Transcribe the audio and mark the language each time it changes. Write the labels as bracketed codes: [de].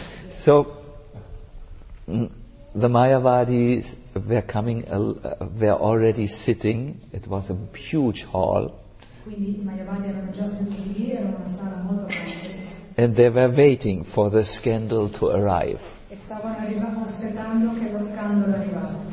[en] So the Mayavadis were coming, were already sitting. It was a huge hall. [it] Quindi i Mayavadi erano già seduti lì, era una sala molto grande. [en] And they were waiting for the scandal to arrive. [it] E stavano arrivando aspettando che lo scandalo arrivasse.